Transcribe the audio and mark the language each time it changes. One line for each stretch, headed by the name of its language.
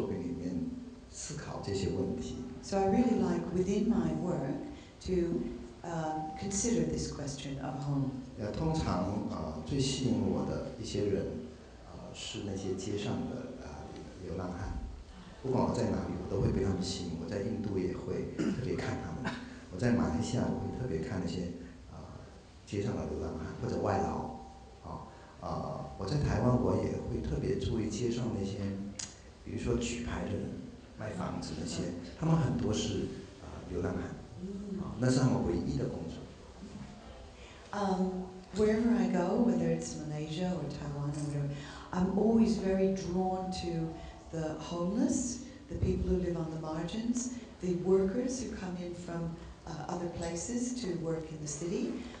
Chinese: 所以我其实非常喜欢在我的作品里面思考这些问题。
English: So I really like within my work to consider this question of home.
Chinese: 通常最吸引我的一些人 是那些街上的流浪汉，不管我在哪里，我都会被他们吸引。我在印度也会特别看他们，我在马来西亚我会特别看那些街上的流浪汉或者外劳，啊，我在台湾我也会特别注意街上那些，比如说举牌的人、卖房子那些，他们很多是流浪汉，那是他们唯一的工作。
English: Wherever I go, whether it's Malaysia or Taiwan or whatever. I'm always very drawn to the homeless, the people who live on the margins, the workers who come in from other places to work in the city.